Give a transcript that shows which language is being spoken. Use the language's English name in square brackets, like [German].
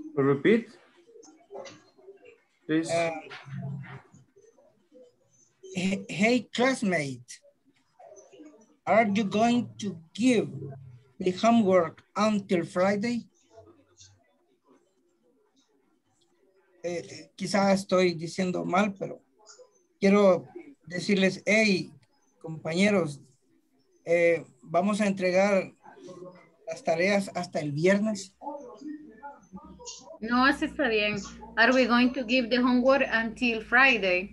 [English] Repeat. Please. Hey, classmate. Are you going to give the homework until Friday? [Spanish] Quizás estoy diciendo mal, pero quiero decirles, hey, compañeros, vamos a entregar las tareas hasta el viernes. No, así está bien. [English] Are we going to give the homework until Friday?